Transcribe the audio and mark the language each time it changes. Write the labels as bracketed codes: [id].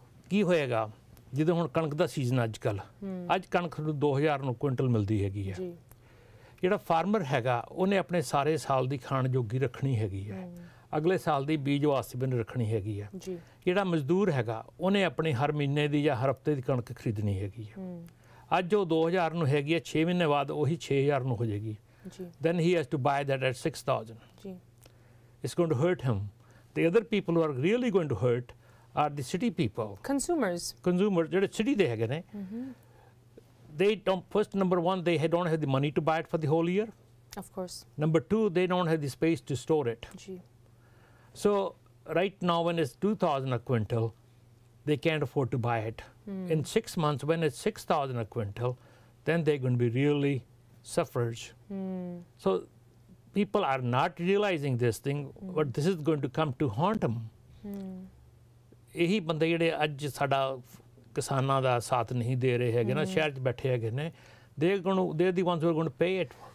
[pa] ਕੀ ਹੋਏਗਾ ਜਦੋਂ ਹੁਣ ਕਣਕ ਦਾ ਸੀਜ਼ਨ ਅੱਜ ਕੱਲ੍ਹ ਅੱਜ ਕਣਕ ਨੂੰ 2000 ਨੂੰ ਕੁਇੰਟਲ ਮਿਲਦੀ ਹੈਗੀ ਹੈ ਜਿਹੜਾ ਫਾਰਮਰ ਹੈਗਾ ਉਹਨੇ ਆਪਣੇ ਸਾਰੇ ਸਾਲ ਦੀ ਖਾਣ ਜੋਗੀ ਰੱਖਣੀ ਹੈਗੀ ਹੈ ਅਗਲੇ ਸਾਲ ਦੀ ਬੀਜ ਵਾਸਤੇ ਵੀ ਰੱਖਣੀ ਹੈਗੀ ਹੈ ਜਿਹੜਾ ਮਜ਼ਦੂਰ ਹੈਗਾ ਉਹਨੇ ਆਪਣੇ ਹਰ ਮਹੀਨੇ ਦੀ ਜਾਂ ਹਰ ਹਫ਼ਤੇ ਦੀ ਕਣਕ ਖਰੀਦਣੀ ਹੈਗੀ ਹੈ ਅੱਜ ਉਹ 2000 ਨੂੰ ਹੈਗੀ ਹੈ 6 ਮਹੀਨੇ ਬਾਅਦ ਉਹੀ 6000 ਨੂੰ ਹੋ ਜਾਏਗੀ [en] Then he has to buy that at 6000 it's going to hurt him the other people are really going to hurt are the city people. Consumers, [pa] jede city de hage ne. [en] They don't, first number one, they don't have the money to buy it for the whole year. Of course. Number two, they don't have the space to store it. [pa] Ji. [en] So right now when it's 2000 a quintal, they can't afford to buy it. Mm. In 6 months, when it's 6000 a quintal, then they're going to be really suffrage. Mm. So people are not realizing this thing, but this is going to come to haunt them. Mm. [pa] ਇਹੀ ਬੰਦੇ ਜਿਹੜੇ ਅੱਜ ਸਾਡਾ ਕਿਸਾਨਾਂ ਦਾ ਸਾਥ ਨਹੀਂ ਦੇ ਰਹੇ ਹੈਗੇ ਨਾ ਸ਼ਹਿਰ 'ਚ ਬੈਠੇ ਹੈਗੇ ਨੇ [en] they the ones were going to pay it